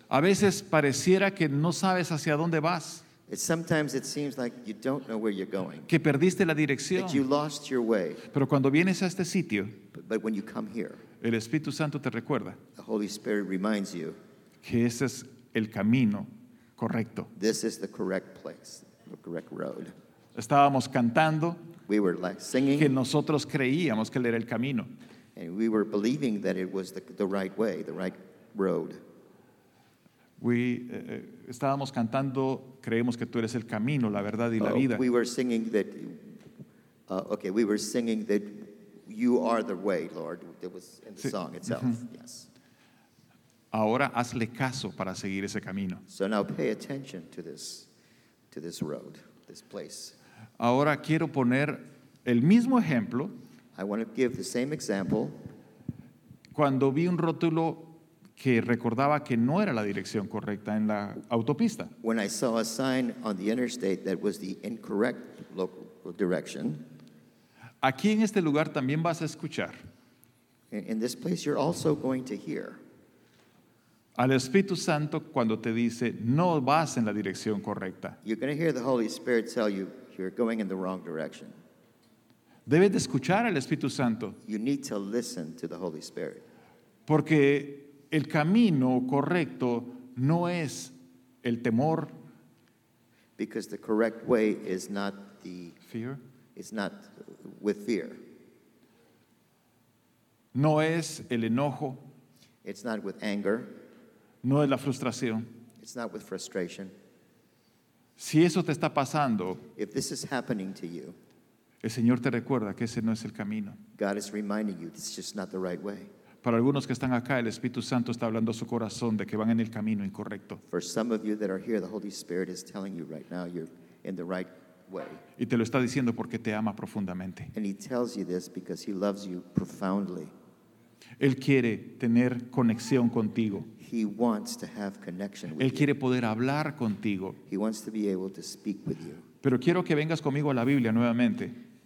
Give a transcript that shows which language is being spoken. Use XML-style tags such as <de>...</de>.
<es>A veces pareciera que no sabes hacia dónde vas.</es> <en>Sometimes it seems like you don't know where you're going.</en> <es>Que perdiste la dirección.</es> <en>That you lost your way.</en> <es>Pero cuando vienes a este sitio,</es> <en>but when you come here,</en> <es>el Espíritu Santo te recuerda.</es> <en>The Holy Spirit reminds you</en> <es>que ese es el camino correcto.</es> <en>This is the correct place, the correct road.</en> <es>Estábamos cantando.</es> <en>We were like singing.</en> <es>Que nosotros creíamos que él era el camino.</es> <en>And we were believing that it was the right way, the right road.</en> <es>We estábamos cantando, creemos que tú eres el camino, la verdad y la vida.</es> <en>We were singing that. Okay, we were singing that you are the way, Lord. It was in the song itself. Mm-hmm. Yes.</en> <es>Ahora hazle caso para seguir ese camino.</es> <en>So now pay attention to this road, this place.</en> <es>Ahora quiero poner el mismo ejemplo.</es> <en>I want to give the same example.</en> <es>Cuando vi un rótulo que recordaba que no era la dirección correcta en la autopista.</es> <en>When I saw a sign on the interstate that was the incorrect local direction.</en> <es>Aquí en este lugar también vas a escuchar.</es> <en>In this place you're also going to hear.</en> <es>Al Espíritu Santo cuando te dice no vas en la dirección correcta.</es> <en>You're going to hear the Holy Spirit tell you you're going in the wrong direction.</en> <es>Debes de escuchar al Espíritu Santo.</es> <en>You need to listen to the Holy Spirit.</en> <es>Porque el camino correcto no es el temor.</es> <en>Because the correct way is not the fear. It's not with fear.</en> <es>No es el enojo.</es> <en>It's not with anger.</en> <es>No es la frustración.</es> <en>It's not with frustration.</en> <es>Si eso te está pasando,</es> <en>if this is happening to you,</en> <es>el Señor te recuerda que ese no es el camino.</es> <en>God is reminding you it's just not the right way.</en> <es>Para algunos que están acá, el Espíritu Santo está hablando a su corazón de que van en el camino incorrecto.</es> <en>For some of you that are here, the Holy Spirit is telling you right now you're in the right way.</en> <es>Y te lo está diciendo porque te ama profundamente.</es> <en>And he tells you this because he loves you profoundly.</en> <es>Él quiere tener conexión contigo.</es> <en>He wants to have connection with</en> <es>él quiere</es> <en>you.</en> <es>Poder hablar contigo.</es> <en>He wants to be able to speak with you.</en> <es>Pero quiero que vengas conmigo a la Biblia nuevamente.</es>